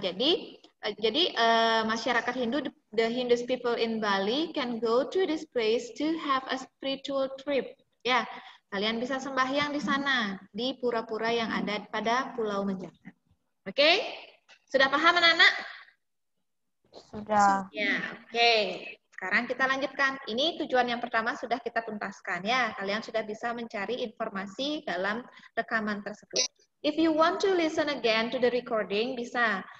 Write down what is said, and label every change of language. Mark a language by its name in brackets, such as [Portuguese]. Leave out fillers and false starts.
[Indonesian] Jadi masyarakat Hindu, [English] the Hindus people in Bali can go to this place to have a spiritual trip. [Indonesian] Ya, kalian bisa sembahyang di sana, di pura-pura yang ada pada Pulau Menjangan. Oke? Sudah paham, anak-anak? Sudah. Ya, oke. Okay. Sekarang kita lanjutkan. Ini tujuan yang pertama sudah kita tuntaskan ya. Kalian sudah bisa mencari informasi dalam rekaman tersebut. [English] If you want to listen again to the recording, [Indonesian] bisa.